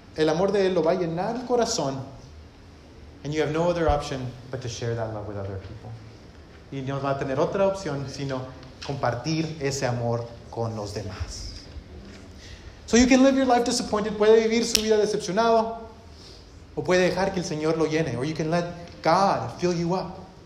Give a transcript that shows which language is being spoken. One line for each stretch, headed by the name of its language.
Spanish: El amor de él lo va a llenar el corazón.
English: And you have no other option but to share that love with other people.
Spanish: Y no va a tener otra opción sino compartir ese amor con los demás.
English: So you can live your life disappointed.
Spanish: Puede vivir su vida decepcionado. O puede dejar que el Señor lo llene.
English: Or you can let God fill you up.